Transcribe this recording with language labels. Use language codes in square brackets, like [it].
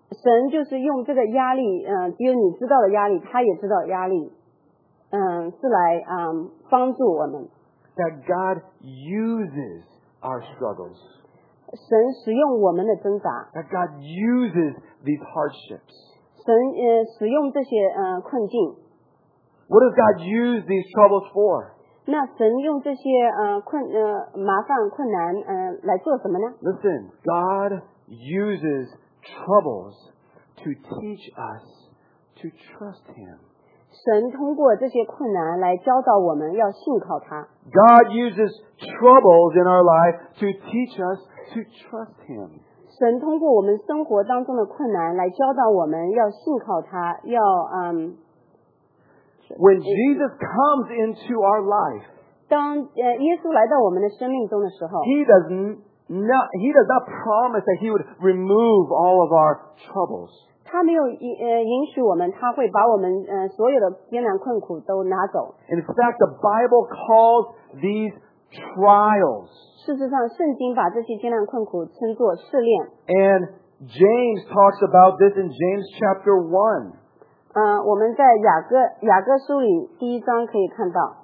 [zh] 神就是用这个压力，只有你知道的压力，他也知道压力，是来帮助我们。 [en] That God uses our struggles. [zh] 神使用我们的挣扎。 [en] That God uses these hardships. [zh] 神使用这些困境。 [en] What does God use these troubles for? [zh] 那神用这些麻烦困难来做什么呢？ [en] Listen, God uses troubles to teach us to trust Him. [zh] 神通过这些困难来教导我们要信靠他。 [en] God uses troubles in our life to teach us to trust Him. [zh] 神通过我们生活当中的困难来教导我们要信靠他，要 [en] When Jesus comes into our life, [zh] 当耶稣来到我们的生命中的时候 [en] He does not promise that He would remove all of our troubles. [zh] 他没有允许我们，他会把我们所有的艰难困苦都拿走。 [en] In fact, the Bible calls these trials. [zh] 事实上，圣经把这些艰难困苦称作试炼。 [en] And James talks about this in James chapter 1. [zh] 我们在雅各书里第一章可以看到